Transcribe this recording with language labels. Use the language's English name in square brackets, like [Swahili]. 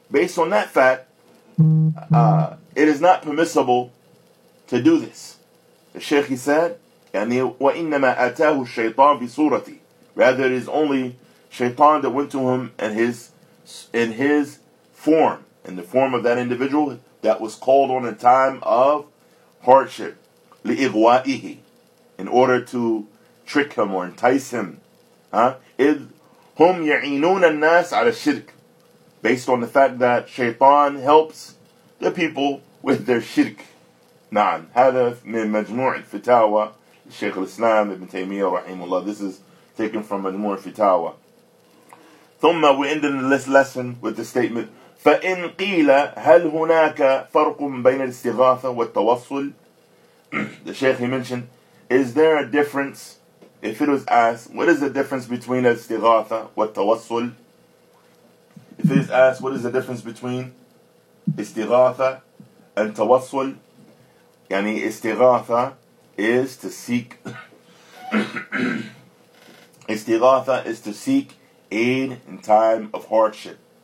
[English] Based on that fact, it is not permissible to do this. The Shaykh, he said, [Arabic] يعني وَإِنَّمَا أَتَاهُ الشَّيْطَانُ بِصُورَتِي. [English] Rather, it is only Shaytan that went to him in his form, in the form of that individual that was called on a time of hardship. لِإِغْوَائِهِ, in order to trick him or entice him. [Arabic] إِذْ هُمْ يَعِينُونَ النَّاسَ عَلَى الشِّرْكِ. [English] Based on the fact that Shaytan helps the people with their shirk. [Arabic] نعم, هذا من مجموع الفتاوى الشيخ الإسلام ابن تيمية رحمه الله. [English] This is taken from مجموع الفتاوى. ثم we end in this lesson with the statement, [Arabic] فإن قيل هل هناك فرق بين الاستغاثة والتوصل. [English] The Shaykh, he mentioned, is there a difference, if it was asked, what is the difference between [Arabic] الاستغاثة والتوصل, [English] if it is asked what is the difference between استغاثة and توصل. يعني استغاثة is to seek استغاثة is to seek aid in time of hardship.